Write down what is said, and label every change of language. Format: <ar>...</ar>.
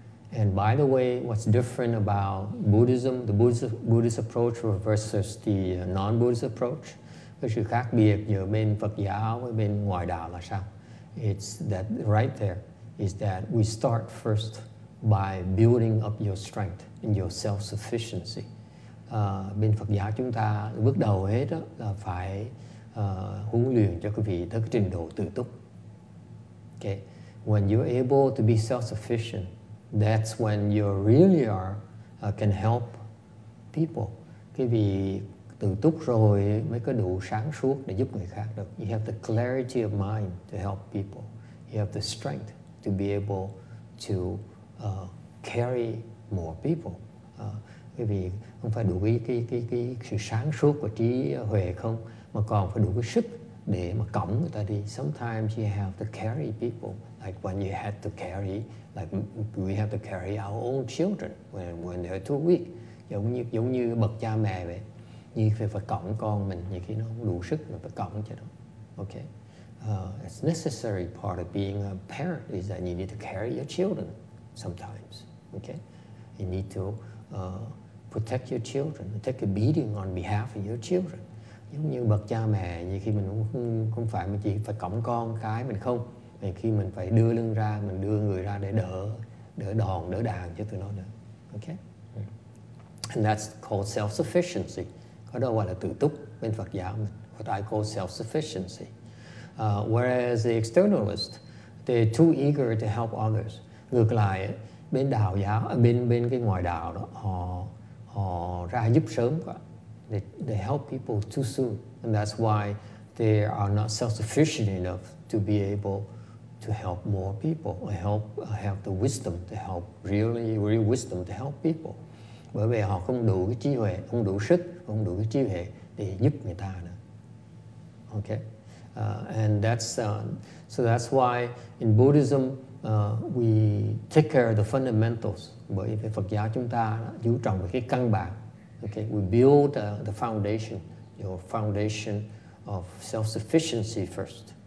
<en>And by the way, what's different about Buddhism, the Buddhist approach versus the non-Buddhist approach?</en> <vi>Cái sự khác biệt giữa bên Phật giáo với bên ngoại đạo là sao?</vi> <en>It's that right there is that we start first by building up your strength and your self-sufficiency.</en> <vi>Bên Phật giáo chúng ta bước đầu hết đó là phải huấn luyện cho quý vị tới trình độ tự túc.</vi> <en>Okay. When you're able to be self-sufficient, that's when you really are can help people.</en> <vi>Quý vị tự túc rồi mới có đủ sáng suốt để giúp người khác được.</vi> <en>You have the clarity of mind to help people. You have the strength to be able to carry more people.</en> <vi>Quý vị không phải đủ cái sự sáng suốt của trí huệ không, mà còn phải đủ cái sức để mà cõng người ta đi.</vi> <en>Sometimes you have to carry people, like when you had to carry, like we have to carry our own children when they're too weak.</en> <vi>Giống như bậc cha mẹ vậy, như phải cõng con mình, như khi nó không đủ sức mà phải cõng cho nó.</vi> <en>Okay, it's necessary part of being a parent is that you need to carry your children sometimes. Okay, you need to protect your children, take a beating on behalf of your children.</en> <vi>Giống như bậc cha mẹ, như khi mình không phải mình chỉ phải cõng con cái mình không, thì khi mình phải đưa lưng ra, mình đưa người ra để đỡ đòn, đỡ đàn cho tụi nó nữa. Okay.</vi> <en>And that's called self-sufficiency.</en> <vi>Có đó gọi là tự túc bên Phật giáo mình.</vi> <en>What I call self-sufficiency. Whereas the externalist, they're too eager to help others.</en> <vi>Ngược lại, bên đạo giáo, bên cái ngoại đạo đó, họ ra giúp sớm quá.</vi> <en>They help people too soon, and that's why they are not self-sufficient enough to be able to help more people or help have the wisdom to help, really, really wisdom to help people.</en> <vi>Bởi vì họ không đủ cái trí huệ, không đủ sức, không đủ cái trí huệ để giúp người ta nữa.</vi> <en>Okay, and that's so that's why in Buddhism we take care of the fundamentals.</en> <vi>Bởi vì Phật giáo chúng ta chú trọng về cái căn bản.</vi> <en>Okay, we build the foundation, your foundation of self-sufficiency first.</en>